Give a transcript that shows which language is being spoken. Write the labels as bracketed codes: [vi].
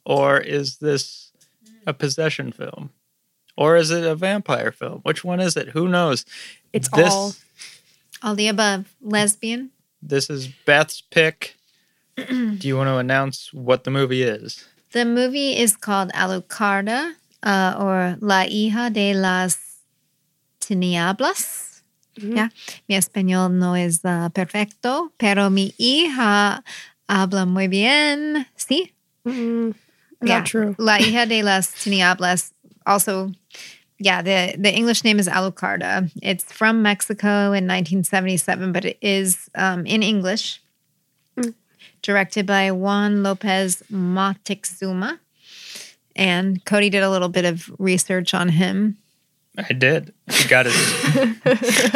[en] Or is this a possession film? Or is it a vampire film? Which one is it? Who knows? It's this, all the above. Lesbian. This is Beth's pick. Do you want to announce what the movie is? The movie is called Alucarda. [es] Or La Hija de las Tinieblas. Mm-hmm. Yeah. Mi español no es perfecto, pero mi hija habla muy bien. ¿Sí? [en] Mm-hmm. Yeah. Not true. [es] La Hija de las Tinieblas. [en] Also, yeah, the English name is Alucarda. It's from Mexico in 1977, but it is in English. Directed by Juan López Moctezuma. And Cody did a little bit of research on him. I did. He got his...